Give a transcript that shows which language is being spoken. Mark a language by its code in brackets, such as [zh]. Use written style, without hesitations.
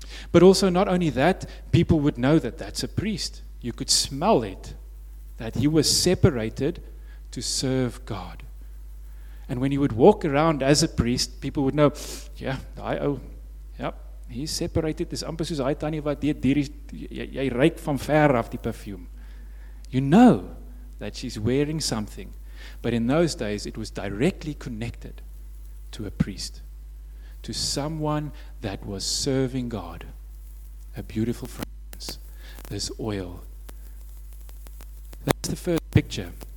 [en] But also, not only that, people would know that that's a priest. You could smell it, that he was separated to serve God. And when he would walk around as a priest, people would know, yeah, I owe, yep. He's separated. [af] This amper soos hy tannie wat hier is, jy ruik van ver af die perfume. [en] You know that she's wearing something. But in those days, it was directly connected to a priest, to someone that was serving God. A beautiful fragrance, this oil. That's the first picture.